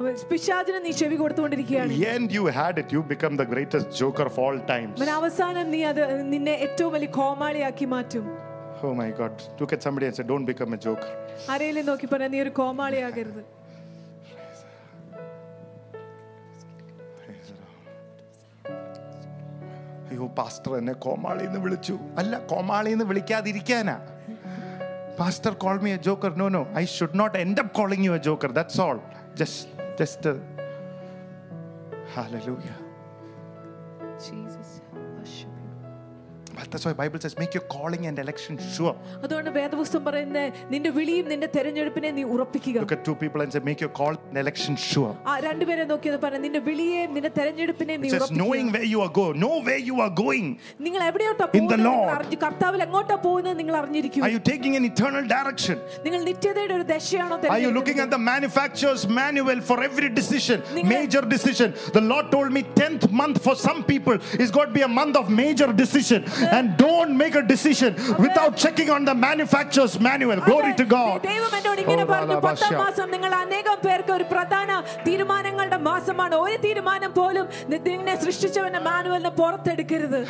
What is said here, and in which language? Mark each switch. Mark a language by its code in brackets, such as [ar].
[ml] പിശാചിനെ നീ ചെവി കൊടുത്തുകൊണ്ടിരിക്കുകയാണ്. [en] And you had it, you become the greatest joker of all times. [ml] മന അവസാനം നീ അത് നിന്നെ ഏറ്റവും വലിയ കോമാളിയാക്കി മാറ്റും. [en] Oh my God, look at somebody and say, don't become a joker. [ml] ആരെയും നോക്കി പറ നീ ഒരു കോമാളിയാകരുത്. അയ്യോ പാസ്റ്റർ എന്നെ കോമാളി എന്ന് വിളിച്ചു. അല്ല, കോമാളി എന്ന് വിളിക്കാതിരിക്കാനാ. [en] Pastor called me a joker. No, I should not end up calling you a joker. That's all. Just hallelujah. Jesus, worship you. But that's why Bible says make your calling and election sure. [ml] അതുകൊണ്ട് വേദപുസ്തകം പറയുന്നത് നിന്റെ വിളിയും നിന്റെ തിരഞ്ഞെടുപ്പിനെ നീ ഉറപ്പിക്കുക. [en] Look at two people and say make your call and election sure. [ml] ആ രണ്ട് പേരെ നോക്കി അത് പറഞ്ഞു നിന്റെ വിളിയേയും നിന്റെ തിരഞ്ഞെടുപ്പിനെ നീ ഉറപ്പിക്കുക. [en] Just knowing where you are going. Know where you are going. [ml] നിങ്ങൾ എവിടെയോട്ടാ പോകുന്നത്? കർത്താവിൽ എങ്ങോട്ടാ പോകുന്നത് നിങ്ങൾ അറിഞ്ഞിരിക്കുക. [en] Are you taking an eternal direction? [ml] നിങ്ങൾ നിത്യതയുടെ ഒരു ദിശയാണോ തിരഞ്ഞെടുക്കുന്നത്? [en] Are you looking at the manufacturer's manual for every decision? Major decision. The Lord told me 10th month for some people is got to be a month of major decision. And don't make a decision without checking on the manufacturer's manual. Glory to God. [ml] ദൈവം എന്നോട് ഇങ്ങനെ പറഞ്ഞു, 10 മാസം നിങ്ങൾ അനേകം പേർക്ക് ഒരു പ്രധാന തീരുമാനങ്ങളുടെ മാസമാണ്. ഒരു തീരുമാനം പോലും നിന്നെ സൃഷ്ടിച്ചവന്റെ മാനുവലിനെ പുറത്തെടുക്കരുത്.